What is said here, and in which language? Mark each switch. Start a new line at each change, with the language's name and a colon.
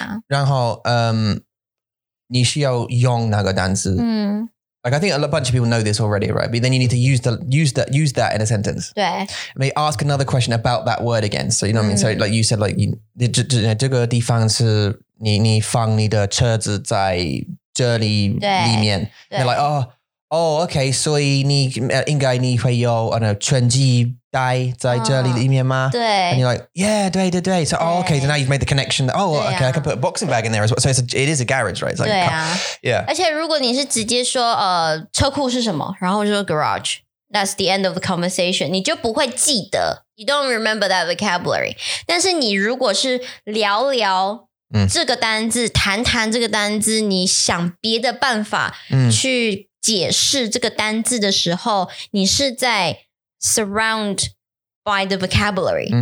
Chinese: 然后, 你需要用那个单字。
English: Like, I think a bunch of people know this already, right? But then you need to use that in a sentence. Yeah. Maybe ask another question about that word again. So, you know what I mean? So, like you said, like, you know,
Chinese: 这个地方是你放你的车子在这里里面.
English: They're like, okay,
Chinese: 所以你应该你会有全机带在这里里面吗? 对。
English: And you're like, yeah,
Chinese: 对。
English: So, okay, so now you've made the connection. I can put a boxing bag in there as well. So it is a garage, right? It's like,
Chinese: 对啊。
English: Yeah.
Chinese: 而且如果你是直接说, 车库是什么? 然后就说
English: garage. That's the end of the conversation.
Chinese: 你就不会记得,
English: you don't remember that vocabulary.
Chinese: 但是你如果是聊聊, 这个单字,谈谈这个单字, 你想别的办法去 解释这个单字的时候, 你是在
English: surround by the vocabulary.